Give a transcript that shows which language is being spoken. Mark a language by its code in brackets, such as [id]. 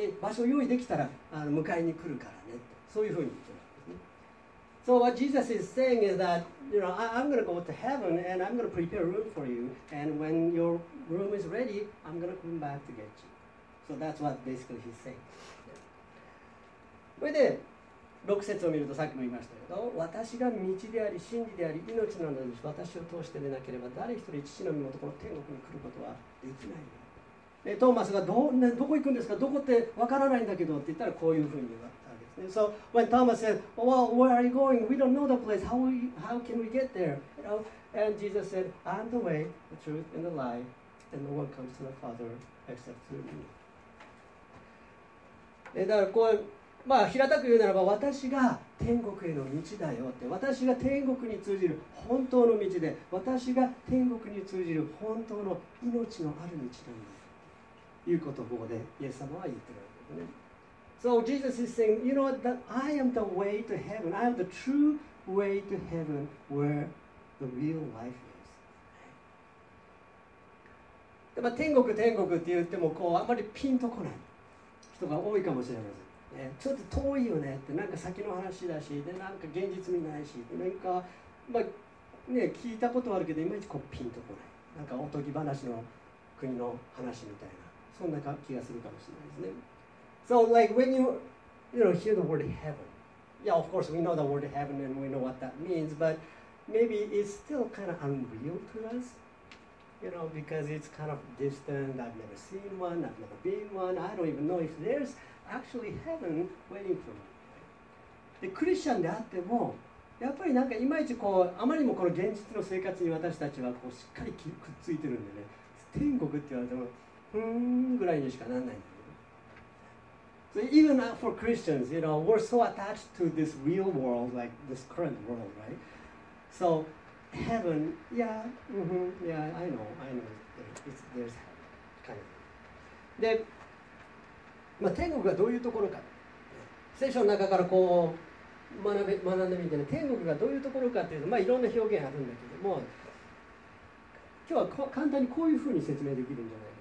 [ja] で、場所を用意できたら迎えに来るからねと。そういうふうに言ってる。 [en] So what Jesus is saying is that, you know, I'm going to go to heaven and I'm going to prepare a room for you. And when your room is ready, I'm going to come back to get you. So that's what basically he's saying. [ja] それで、6節を見るとさっきも言いましたけど、私が道であり、真理であり、命なのです。私を通してでなければ、誰一人父の身元この天国に来ることはできない。で、トーマスが どこ行くんですか、どこってわからないんだけどって言ったら、こういうふうに言われた。 [en] And so when Thomas said, "Well, where are you going? We don't know the place. How can we get there?" You know, and Jesus said, "I'm the way, the truth, and the life, and no one comes to the Father except through me." [ja] だからこう、まあ、平たく言うならば、私が天国への道だよって、私が天国に通じる本当の道で、私が天国に通じる本当の命のある道なんだということをここでイエス様は言ってるわけですね。 [en] So Jesus is saying, you know what, I am the way to heaven. I am the true way to heaven where the real life is. [ja] でも天国、天国って言ってもこうあんまりピンとこない人が多いかもしれません。ちょっと遠いよねって、なんか先の話だし、でなんか現実味ないし、なんか、まあね、聞いたことあるけど、いまいちこうピンとこない。なんかおとぎ話の国の話みたいな、そんな気がするかもしれないですね。 [en] So like when you hear the word heaven, yeah, of course we know the word heaven and we know what that means, but maybe it's still kind of unreal to us, you know, because it's kind of distant, I've never seen one, I've never been one, I don't even know if there's actually heaven waiting for me. [ja] で、クリスチャンであっても、やっぱりなんかいまいちこう、あまりにもこの現実の生活に私たちはこうしっかりくっついてるんでね、天国って言われても、ぐらいにしかならない。 [en] So even for Christians, you know, we're so attached to this real world, like this current world, right? So heaven, yeah, I know, there's heaven, kind of. [ja] で、まあ、天国がどういうところか、聖書の中からこう学んでみてね、天国がどういうところかっていうと、まあいろんな表現あるんだけども、今日は簡単にこういうふうに説明できるんじゃないかな。